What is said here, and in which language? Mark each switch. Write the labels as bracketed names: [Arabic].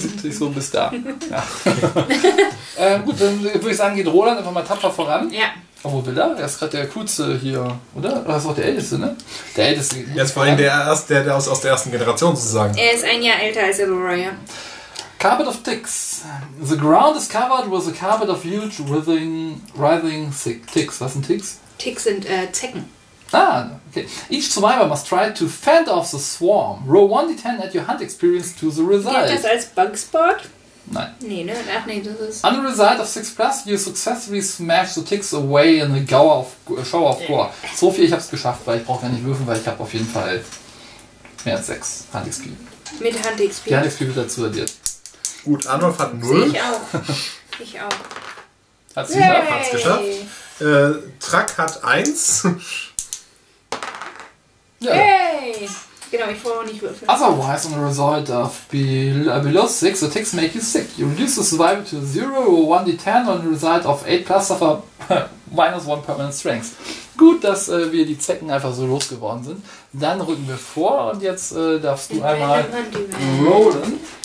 [German] sieht sich so bis da. Ja. gut, dann würde ich sagen, geht Roland einfach mal tapfer voran. Ja. Oh, wo will er? Er ist gerade der Kurze hier, oder? Oder ist auch der Älteste, ne? Der Älteste. Er ist vor allem der aus der ersten Generation sozusagen. Er ist ein Jahr älter als Elora, ja. [English] Carpet of Ticks. The ground is covered with a carpet of huge writhing ticks. [German] Was sind Ticks? Ticks sind Zecken. Ah, okay. [English] Each survivor must try to fend off the swarm. Roll 1d10 at your hunt experience to the result. [German] Geht das als Bugspot? Nein. Nee, das ist... [English] On the result of 6+, you successfully smash the ticks away in a gower of, shower of gore. [German] So viel, ich hab's geschafft, weil ich brauche gar nicht würfeln, weil ich habe auf jeden Fall mehr als 6 Hand-XP. Mit Hand-XP? Die Hand-XP wird dazu addiert. Gut, Arnulf hat 0. Ich auch. Ich auch. Hat sie mal, hat's geschafft. Truck hat 1. Ja. Yay! Genau, ich wollte auch nicht würfeln. [English] Otherwise, on the result of below 6, the ticks make you sick. You reduce the survival to 0 or 1d10 on the result of 8+, suffer minus 1 permanent strength. [German] Gut, dass wir die Zecken einfach so losgeworden sind. Dann rücken wir vor und jetzt darfst du einmal rollen.